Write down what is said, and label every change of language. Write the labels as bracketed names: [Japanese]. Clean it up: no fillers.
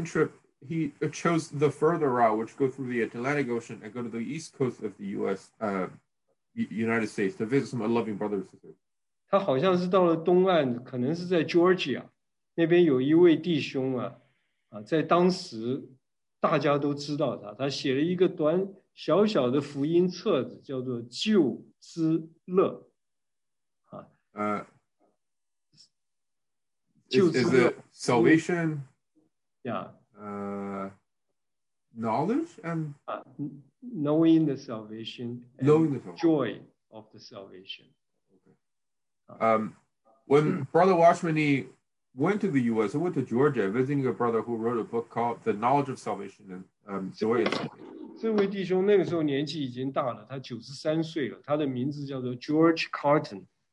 [English] his returning trip, he chose the further route, which goes through the Atlantic Ocean and go to the east coast of the U.S. United States to visit some loving brothers and sisters. [Chinese] 他好像是到了东岸，可能是在Georgia，那边有一位弟兄啊，在当时大家都知道他，他写了一个短小小的福音册子，叫做《救之乐》。 [English] Is it salvation? Yeah. Knowledge and knowing the salvation. Knowing the salvation. Joy of the salvation. When Brother Watchman Nee went to the U.S., he went to Georgia visiting a brother who wrote a book called The Knowledge of Salvation and Joy of Salvation. [Chinese] 这位弟兄那个时候年纪已经大了，他93岁了，他的名字叫做 George Carton.